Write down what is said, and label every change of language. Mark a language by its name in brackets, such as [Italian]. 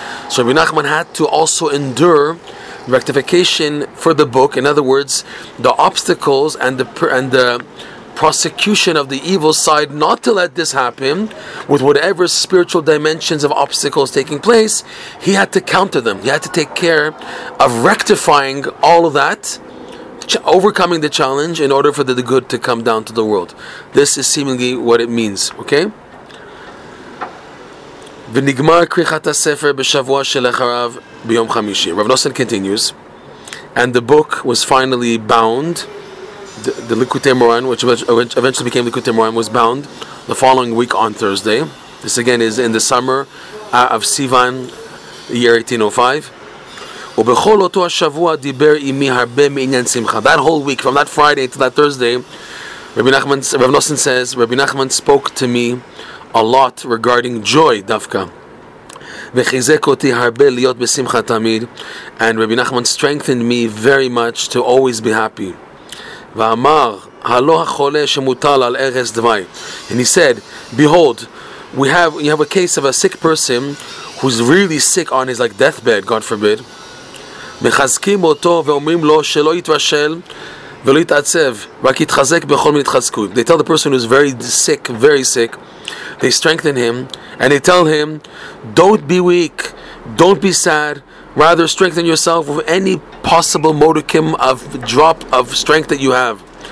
[English] So Rabbi Nachman had to also endure rectification for the book, in other words, the obstacles and the prosecution of the evil side, not to let this happen with whatever spiritual dimensions of obstacles taking place, he had to counter them. He had to take care of rectifying all of that, overcoming the challenge in order for the good to come down to the world. This is seemingly what it means, okay? [Hebrew] ונגמר קריחת הספר בשבוע שלאחריו ביום חמישי. [English] Rav Nosson continues, and the book was finally bound, the Likutei Moharan, which eventually became Likutei Moharan, was bound the following week on Thursday. This again is in the summer of Sivan, year 1805. [Hebrew] ובכל אותו השבוע דיבר עמי הרבה מעניין שמחה. [English] That whole week, from that Friday to that Thursday, Rav Nosson says, Rabbi Nachman spoke to me a lot regarding joy, dafka. [Hebrew] וחיזק אותי הרבה להיות בשמחה תמיד, [English] and Rabbi Nachman strengthened me very much to always be happy. [Hebrew] ואמר, [English] And he said, behold, you have a case of a sick person who's really sick on his like deathbed, God forbid. They tell the person who's very sick, they strengthen him, and they tell him, don't be weak, don't be sad, rather strengthen yourself with any possible modicum of drop of strength that you have.